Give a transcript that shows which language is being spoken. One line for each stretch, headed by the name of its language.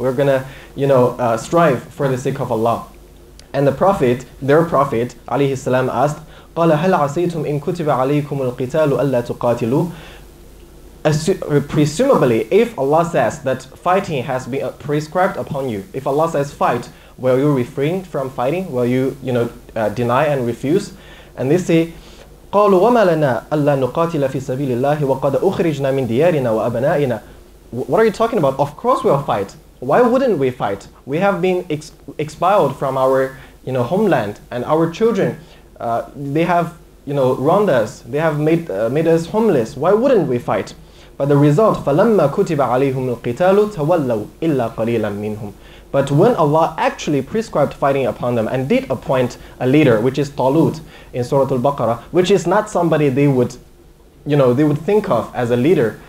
English: We're going to, you know, strive for the sake of Allah. And the Prophet, their Prophet, alayhi salam, asked,
Arabic: قَالَ هَلْ عَسَيْتُمْ إِن كُتِبَ عَلَيْكُمُ الْقِتَالُ أَلَّا تُقَاتِلُوا
English: Presumably, if Allah says that fighting has been prescribed upon you, if Allah says fight, will you refrain from fighting? Will you, you know, deny and refuse? And they say,
Arabic: قَالُوا وَمَا لَنَا أَلَّا نُقَاتِلَ فِي سَبِيلِ اللَّهِ وَقَدْ أُخْرِجْنَا مِنْ دِيَارِنَا وَأَبَنَائِنَا
English: What are you talking about? Of course we'll fight. Why wouldn't we fight? We have been expelled from our, you know, homeland, and our children, they have, you know, wronged us. They have made us homeless. Why wouldn't we fight? But the result,
Arabic: فَلَمَّا كُتِبَ عَلَيْهُمُ الْقِتَالُ تَوَلَّوا إِلَّا قَلِيلًا مِّنْهُمْ
English: But when Allah actually prescribed fighting upon them and did appoint a leader, which is Talut in Surah Al-Baqarah, which is not somebody they would, you know, they would think of as a leader.